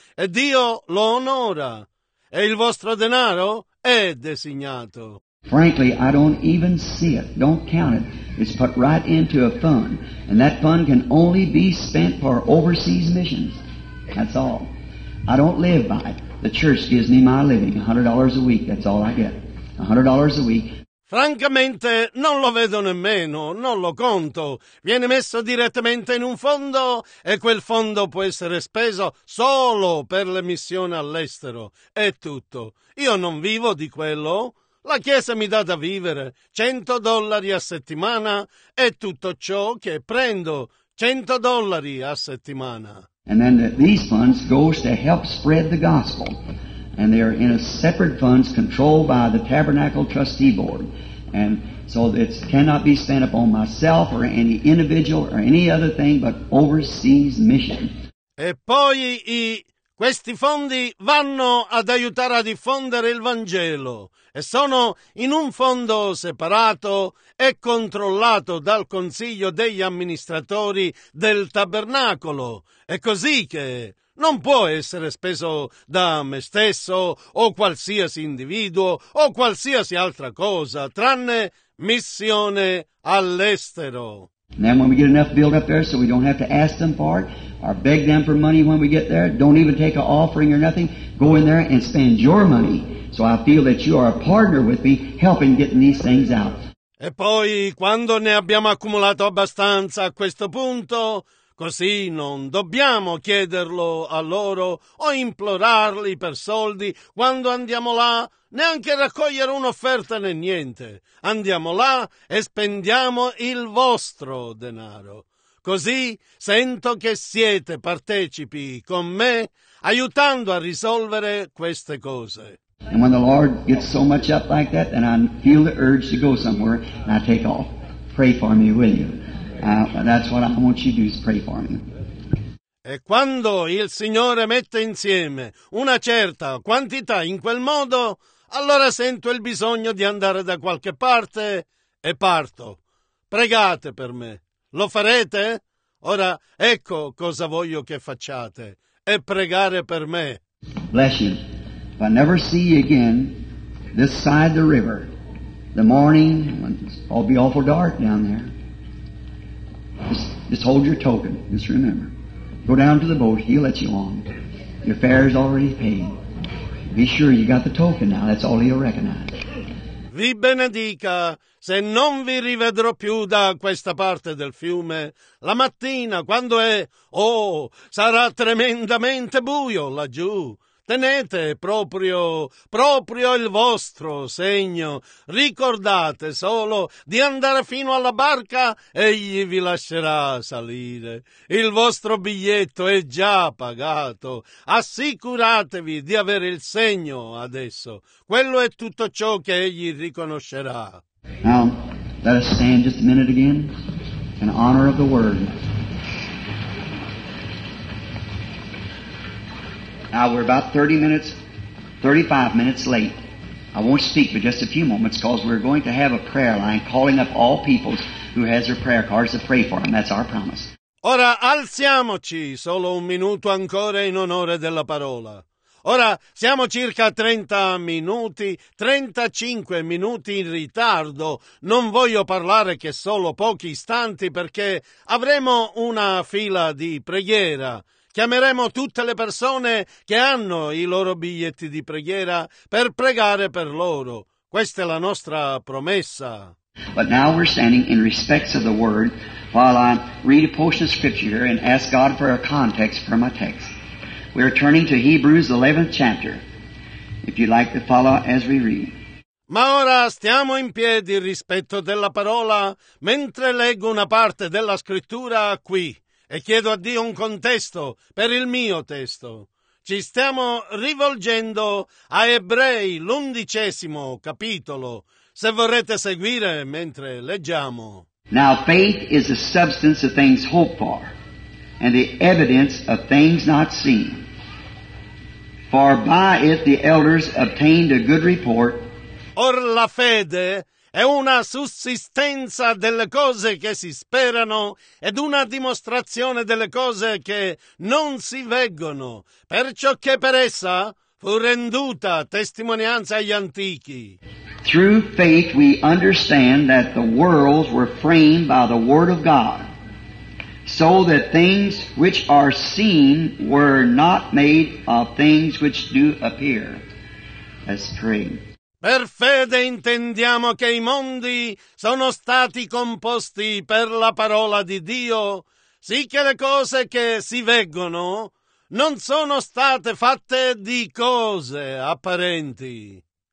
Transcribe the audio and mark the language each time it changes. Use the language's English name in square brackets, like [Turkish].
[Italian] E Dio lo onora. E il vostro denaro è designato. [English] Frankly, I don't even see it. Don't count it. It's put right into a fund. And that fund can only be spent for overseas missions. That's all. I don't live by it. The church gives me my living. $100 a week, that's all I get. $100 a week. [Italian] Francamente, non lo vedo nemmeno, non lo conto. Viene messo direttamente in un fondo e quel fondo può essere speso solo per le missioni all'estero. È tutto. Io non vivo di quello. La Chiesa mi dà da vivere, $100 a settimana, è tutto ciò che prendo, $100 a settimana. [English] And then these funds go to help spread the gospel. And they are in a separate funds controlled by the Tabernacle Trustee Board. And so it cannot be spent upon myself or any individual or any other thing but overseas mission. [Italian] E poi questi fondi vanno ad aiutare a diffondere il Vangelo. E sono in un fondo separato e controllato dal Consiglio degli Amministratori del Tabernacolo. È così che non può essere speso da me stesso o qualsiasi individuo o qualsiasi altra cosa, tranne missione all'estero. [English] And then when we get enough built up there so we don't have to ask them for it or beg them for money when we get there, don't even take an offering or nothing, go in there and spend your money. So I feel that you are a partner with me helping getting these things out. [Italian] E poi, quando ne abbiamo accumulato abbastanza a questo punto, così non dobbiamo chiederlo a loro o implorarli per soldi quando andiamo là, neanche raccogliere un'offerta né niente. Andiamo là e spendiamo il vostro denaro. Così sento che siete partecipi con me, aiutando a risolvere queste cose. [English] And when the Lord gets so much up like that, then I feel the urge to go somewhere, and I take off. Pray for me, will you? That's what I want you to do, is pray for me. [Italian] E quando il Signore mette insieme una certa quantità in quel modo, allora sento il bisogno di andare da qualche parte e parto. Pregate per me. Lo farete? Ora ecco cosa voglio che facciate. E pregare per me. [English] Bless you. If I never see you again, this side the river, the morning, when it's all be awful dark down there, just hold your token, just remember. Go down to the boat, he'll let you on. Your fare is already paid. Be sure you got the token now, that's all he'll recognize. [Italian] Vi benedica, se non vi rivedrò più da questa parte del fiume, la mattina quando è, oh, sarà tremendamente buio laggiù. Tenete proprio il vostro segno. Ricordate solo di andare fino alla barca e egli vi lascerà salire. Il vostro biglietto è già pagato. Assicuratevi di avere il segno adesso. Quello è tutto ciò che egli riconoscerà. [English] Now, let us stand just a minute again in honor of the word. Now we're about 35 minutes late. I won't speak for just a few moments because we're going to have a prayer line calling up all peoples who has their prayer cards to pray for them. That's our promise. [Italian] Ora alziamoci, solo un minuto ancora in onore della parola. Ora siamo circa 35 minuti in ritardo. Non voglio parlare che solo pochi istanti perché avremo una fila di preghiera. Chiameremo tutte le persone che hanno i loro biglietti di preghiera per pregare per loro. Questa è la nostra promessa. [English] But now we're standing in respect of the word while I read a portion of scripture here and ask God for a context for my text. We are turning to Hebrews 11th chapter. If you'd like to follow as we read. [Italian] Ma ora stiamo in piedi rispetto della parola mentre leggo una parte della scrittura qui. E chiedo a Dio un contesto per il mio testo. ci stiamo rivolgendo a Ebrei, l'undicesimo capitolo, se vorrete seguire mentre leggiamo. [English] Now faith is the substance of things hoped for, and the evidence of things not seen. For by it the elders obtained a good report. [Italian] Or la fede è una sussistenza delle cose che si sperano ed una dimostrazione delle cose che non si vedono, perciò che per essa fu renduta testimonianza agli antichi. [English] Through faith we understand that the worlds were framed by the word of God, so that things which are seen were not made of things which do appear as strange. [Italian] Per fede intendiamo che i mondi sono stati composti per la parola di Dio, sicché le cose che si vedono non sono state fatte di cose apparenti.